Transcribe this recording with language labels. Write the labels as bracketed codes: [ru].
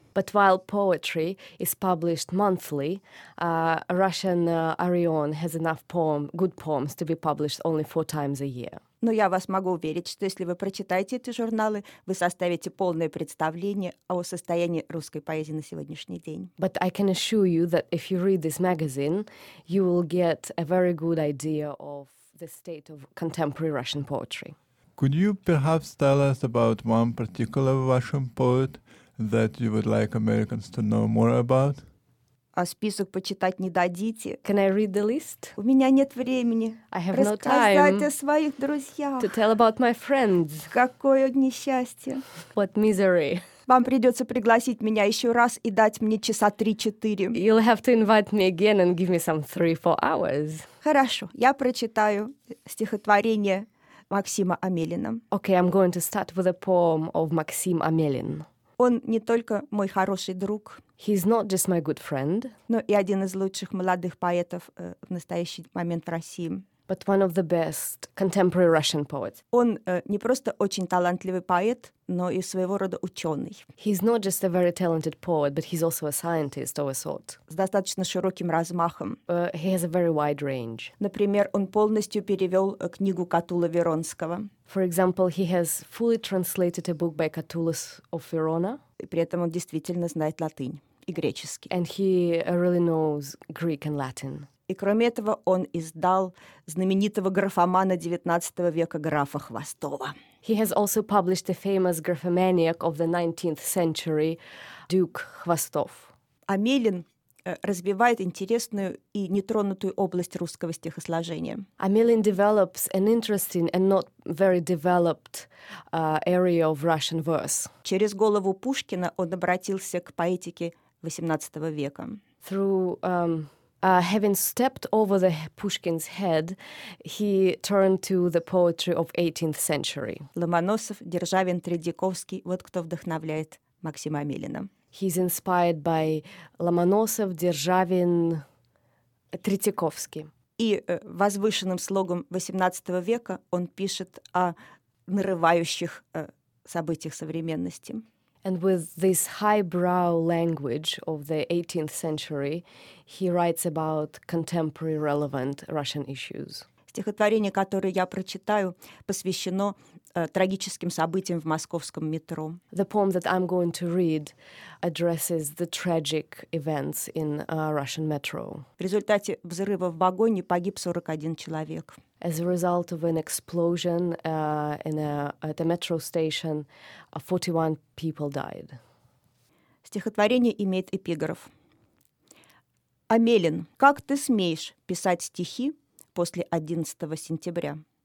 [en] But while poetry is published monthly, Russian Orion has enough good poems to be published only 4 times a year. [ru] Но я вас могу уверить, что если вы прочитаете эти журналы, вы составите полное представление о состоянии русской поэзии на сегодняшний день. [en] But I can assure you that if you read this magazine, you will get a very good idea of the state of contemporary Russian poetry. Could you perhaps tell us about one particular Russian poet that you would like Americans to know more about? [ru] список почитать не дадите. [en] Can I read the list? [ru] У меня нет времени. [en] I have no time. [ru] Рассказать о своих друзьях. [en] To tell about my friends. [ru] Какое несчастье. [en] What misery. [ru] Вам придется пригласить меня еще раз и дать мне часа 3-4. [en] You'll have to invite me again and give me some 3-4 hours. [ru] Хорошо, я прочитаю стихотворение Максима Амелина. [en] Okay, I'm going to start with a poem of Maxim Amelin. [ru] Он не только мой хороший друг. [en] He's not just my good friend. [ru] Но и один из лучших молодых поэтов в настоящий момент в России. [en] But one of the best contemporary Russian poets. [ru] Он не просто очень талантливый поэт, но и своего рода ученый. [en] He's not just a very talented poet, but he's also a scientist of a sort. [ru] С достаточно широким размахом. [en] He has a very wide range. [ru] Например, он полностью перевел книгу Катула Веронского. [en] For example, he has fully translated a book by Catullus of Verona. [ru] И при этом он действительно знает латынь и греческий. [en] And he really knows Greek and Latin. [ru] И кроме этого, он издал знаменитого графомана XIX века графа Хвостова. [en] He has also published a famous graphomaniac of the 19th century, Duke Хвостов. [ru] Амелин развивает интересную и нетронутую область русского стихосложения. [en] Амелин develops an interesting and not very developed area of Russian verse. [ru] Через голову Пушкина он обратился к поэтике XVIII века. [en] Having stepped over the Pushkin's head, he turned to the poetry of 18th century. [ru] Ломоносов, Державин, Третьяковский — вот кто вдохновляет Максима Амелина. [en] He's inspired by Ломоносов, Державин, Третьяковский. [ru] И возвышенным слогом XVIII века он пишет о нарывающих событиях современности. [en] And with this highbrow language of the 18th century, he writes about contemporary relevant Russian issues. [ru] Стихотворение, которое я прочитаю, посвящено трагическим событиям в московском метро. [en] The poem that I'm going to read addresses the tragic events in Russian metro. [ru] В результате взрыва в вагоне погиб 41 человек. [en] As a result of an explosion at a metro station, 41 people died. [ru] Стихотворение имеет эпиграф. Амелин, как ты смеешь писать стихи после 11 сентября?